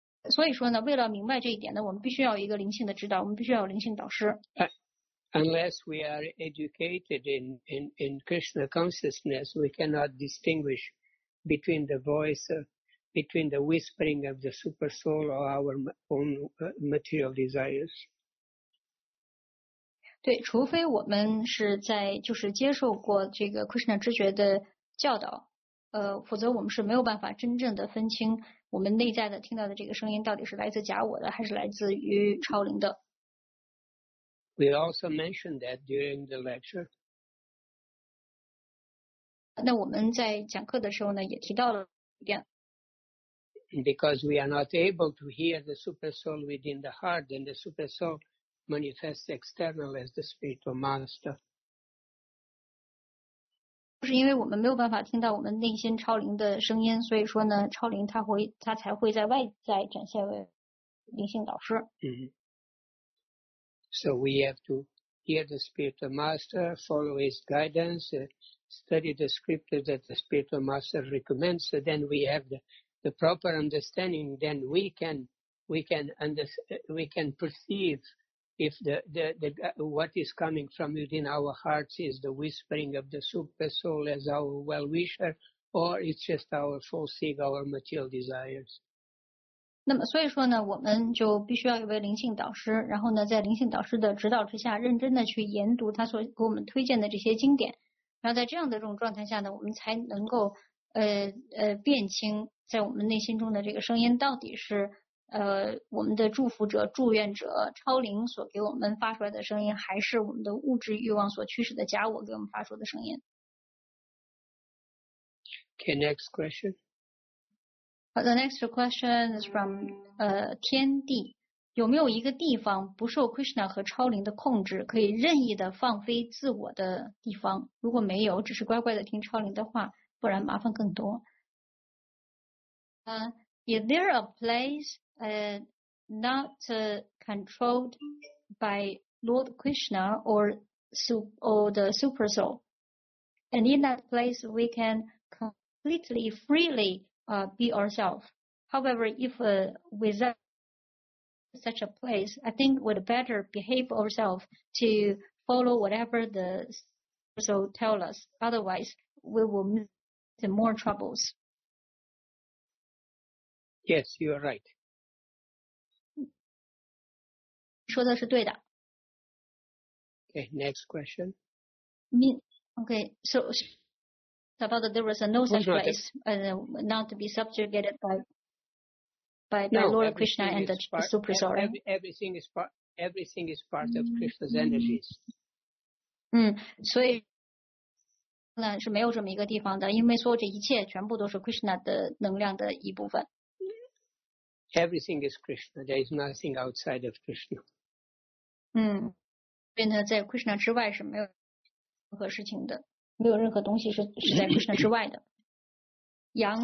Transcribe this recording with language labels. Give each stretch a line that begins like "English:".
Chinese: 所以说呢，为了明白这一点呢，我们必须要有一个灵性的指导，我们必须要有灵性导师。
English: Unless we are educated in Krishna consciousness, we cannot distinguish between the voice, between the whispering of the super soul or our own material desires.
Chinese: 对，除非我们是在就是接受过这个 Krishna 知觉的教导，否则我们是没有办法真正的分清我们内在的听到的这个声音到底是来自假我的还是来自于超灵的。
English: We also mentioned that during the lecture.
Chinese: 那我们在讲课的时候呢也提到了一遍。
English: Because we are not able to hear the super soul within the heart, then the super soul manifests external as the spiritual master.
Chinese: 就是因为我们没有办法听到我们内心超灵的声音，所以说呢超灵他才会在外在展现为灵性导师。
English: So we have to hear the spiritual master, follow his guidance, study the scripture that the spiritual master recommends, so then we have the proper understanding, then we can perceive if the what is coming from within our hearts is the whispering of the super soul as our well-wisher, or it's just our false ego, our material desires.
Chinese: 那么所以说呢，我们就必须要有位灵性导师，然后呢，在灵性导师的指导之下，认真的去研读他所给我们推荐的这些经典，然后在这样的这种状态下呢，我们才能够辨清在我们内心中的这个声音到底是。我们的祝福者、祝愿者、超灵所给我们发出来的声音，还是我们的物质欲望所驱使的假我给我们发出的声音。
English: Okay, next question. The next question is from
Chinese: 天地，有没有一个地方不受 Krishna 和超灵的控制，可以任意的放飞自我的地方？如果没有，只是乖乖的听超灵的话，不然麻烦更多。
English: Is there a place? Not controlled by Lord Krishna or the super soul, and in that place we can completely freely be ourselves. However, if without such a place, I think we'd better behave ourselves to follow whatever the super soul tells us. Otherwise, we will meet more troubles. Yes, you are right.
Chinese: 说的是对的。
English: Okay, next question. Okay, so about that there was a no such place not to be subjugated by Lord Krishna and the Super Soul. Everything is part of Krishna's energies.
Chinese: 所以那是没有这么一个地方的，因为所有这一切全部都是 Krishna 的能量的一部分。
English: Everything is Krishna. There is nothing outside of Krishna.
Chinese: 所以呢，在 Krishna 之外是没有任何事情的，没有任何东西是在 Krishna 之外的。羊